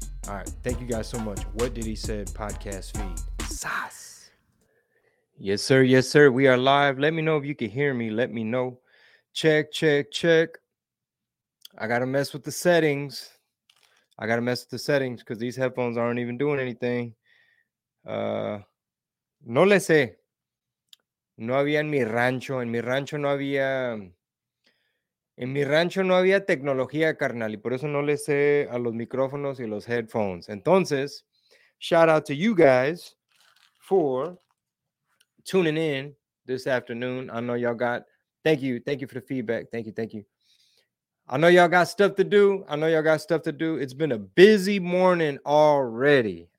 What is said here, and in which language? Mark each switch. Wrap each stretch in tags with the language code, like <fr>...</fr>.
<en>All right. Thank you guys so much. What Did He Said podcast feed. Sauce. Yes, sir. Yes, sir. We are live. Let me know if you can hear me. Let me know. Check, check, check. I gotta mess with the settings because these headphones aren't even doing anything.</en> <es>No le sé. No había en mi rancho no había tecnología, carnal, y por eso no le sé a los micrófonos y los headphones.</es> <en>Entonces, shout out to you guys for tuning in this afternoon. I know y'all got, thank you for the feedback. Thank you. I know y'all got stuff to do. It's been a busy morning already.</en>